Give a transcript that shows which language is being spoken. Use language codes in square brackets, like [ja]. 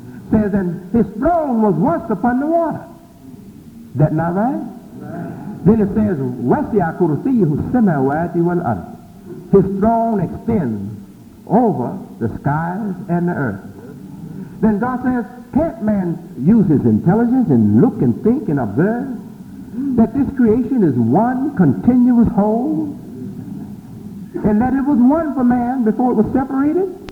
[en] Says, and his throne was once upon the water. Is that not right? Then it says, [ar] وَسِعَ كُرْسِيهُ السَّمَوَاتِ وَالْأَرْضِ. [en] His throne extends over the skies and the earth. Then God says, can't man use his intelligence and look and think and observe that this creation is one continuous whole and that it was one for man before it was separated?